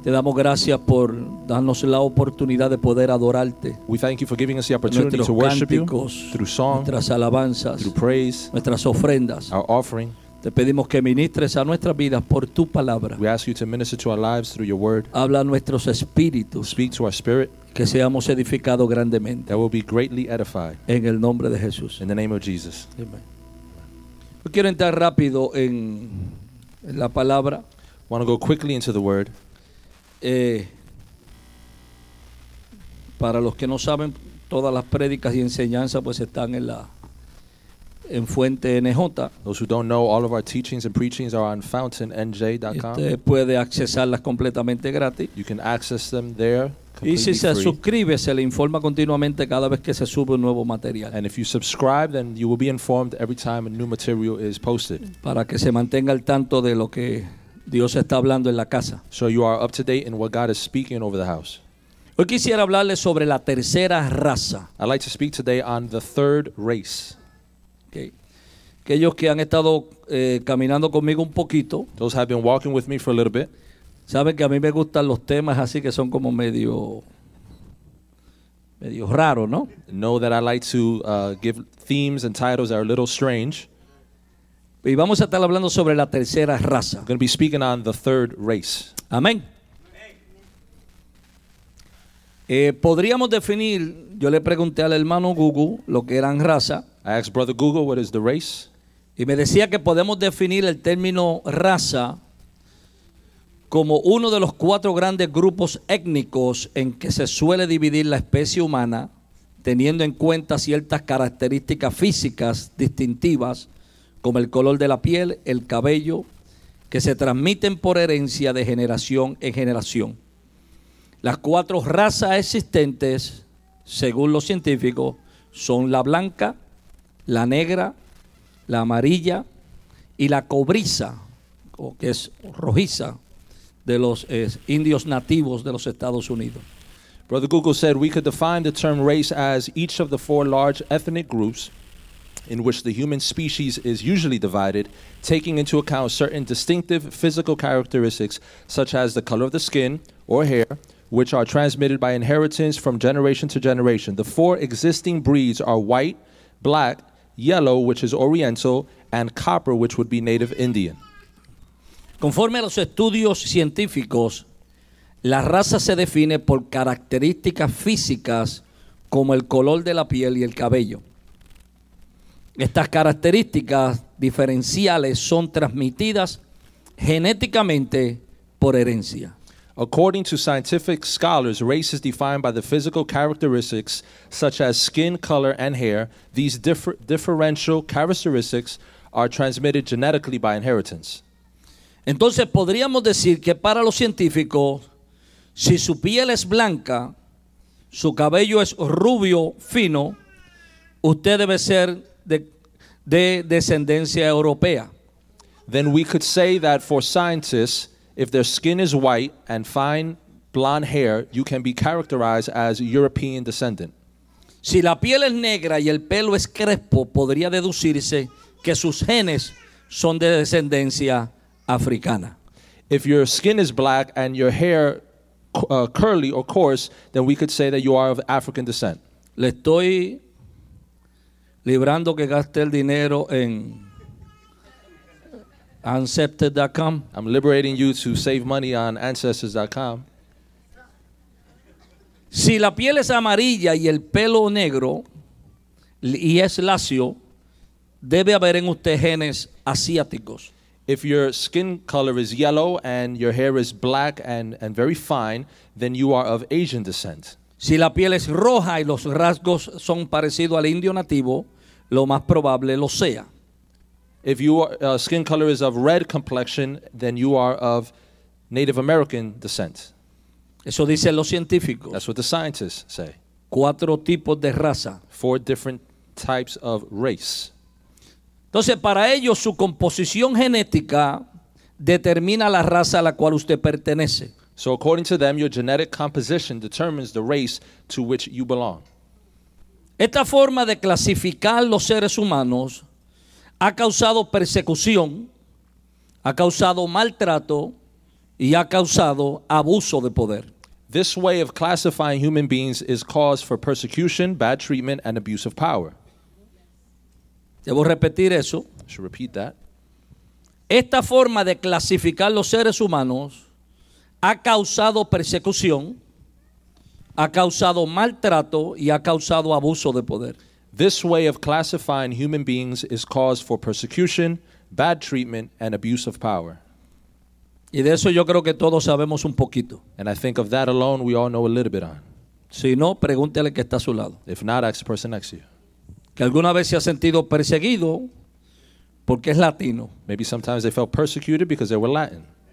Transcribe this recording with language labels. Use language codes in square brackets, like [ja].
[es] Te damos gracias por darnos la oportunidad de poder adorarte. [en] We thank you for giving us the opportunity to worship you through song, [es] nuestras alabanzas, [en] through praise, [es] nuestras ofrendas, [en] our offering. [es] Te pedimos que ministres a nuestras vidas por tu palabra. [en] We ask you to minister to our lives through your word. [es] Habla a nuestros espíritus. [en] Speak to our spirit. [es] Que seamos edificados grandemente. [en] That will be greatly edified. [es] En el nombre de Jesús. [en] In the name of Jesus. [es] Amen. Yo quiero entrar rápido en la palabra. [en] Want to go quickly into the word. [es] Para los que no saben, todas las prédicas y enseñanzas pues están en la en Fuente NJ. [en] Those who don't know, all of our teachings and preachings are on fountainnj.com. [es] Usted puede accesarlas completamente gratis. [en] You can access them there. [es] Y si se [en] free. [es] Suscribe, se le informa continuamente cada vez que se sube un nuevo material. [en] And if you subscribe, then you will be informed every time a new material is posted. [es] Para que se mantenga al tanto de lo que Dios está hablando en la casa. [en] So you are up to date in what God is speaking over the house. [es] Hoy quisiera hablarle sobre la tercera raza. [en] I'd like to speak today on the third race. [es] Okay. Aquellos que han estado caminando conmigo un poquito. [en] Those have been walking with me for a little bit. [es] Saben que a mí me gustan los temas así que son como medio raro, ¿no? [en] Know that I like to give themes and titles that are a little strange. [es] Y vamos a estar hablando sobre la tercera raza. [en] We're going to be speaking on the third race. [es] Amén. Podríamos definir, yo le pregunté al hermano Google lo que eran raza. [en] I asked Brother Google what is the race. [es] Y me decía que podemos definir el término raza como uno de los cuatro grandes grupos étnicos en que se suele dividir la especie humana, teniendo en cuenta ciertas características físicas distintivas, como el color de la piel, el cabello, que se transmiten por herencia de generación en generación. Las cuatro razas existentes, según los científicos, son la blanca, la negra, la amarilla y la cobriza, o que es rojiza, de los indios nativos de los Estados Unidos. [en] Brother Google said we could define the term race as each of the four large ethnic groups in which the human species is usually divided, taking into account certain distinctive physical characteristics such as the color of the skin or hair, which are transmitted by inheritance from generation to generation. The four existing breeds are white, black, yellow, which is oriental, and copper, which would be native Indian. [es] Conforme a los estudios científicos, la raza se define por características físicas como el color de la piel y el cabello. Estas características diferenciales son transmitidas genéticamente por herencia. [en] According to scientific scholars, race is defined by the physical characteristics such as skin color and hair. These differential characteristics are transmitted genetically by inheritance. [es] Entonces podríamos decir que para los científicos, si su piel es blanca, su cabello es rubio fino, usted debe ser de descendencia europea. [en] Then we could say that for scientists, if their skin is white and fine blonde hair, you can be characterized as European descendant. [es] Si la piel es negra y el pelo es crespo, podría deducirse que sus genes son de descendencia europea. Africana. [en] If your skin is black and your hair curly or coarse, then we could say that you are of African descent. [es] Le estoy librando que gaste el dinero en ancestors.com. [en] I'm liberating you to save money on ancestors.com. [es] Si la piel es amarilla y el pelo negro y es lacio, debe haber en usted genes asiáticos. [en] If your skin color is yellow and your hair is black and very fine, then you are of Asian descent. [es] Si la piel es roja y los rasgos son parecidos al indio nativo, lo más probable lo sea. [en] If your skin color is of red complexion, then you are of Native American descent. [es] Eso dicen los científicos. [en] That's what the scientists say. [es] Cuatro tipos de raza. [en] Four different types of race. [es] Entonces, para ellos, su composición genética determina la raza a la cual usted pertenece. [en] So, according to them, your genetic composition determines the race to which you belong. [es] Esta forma de clasificar los seres humanos ha causado persecución, ha causado maltrato y ha causado abuso de poder. [en] This way of classifying human beings is cause for persecution, bad treatment, and abuse of power. [es] Debo repetir eso. [en] I should repeat that. [es] Esta forma de clasificar los seres humanos ha causado persecución, ha causado maltrato y ha causado abuso de poder. [en] This way of classifying human beings is cause for persecution, bad treatment, and abuse of power. [es] Y de eso yo creo que todos sabemos un poquito. [en] And I think of that alone we all know a little bit on. [es] Si no, pregúntele que está a su lado. [en] If not, ask the person next to you. [es] Que alguna vez se ha sentido perseguido porque es latino. [en] Maybe sometimes they felt persecuted because they were Latin.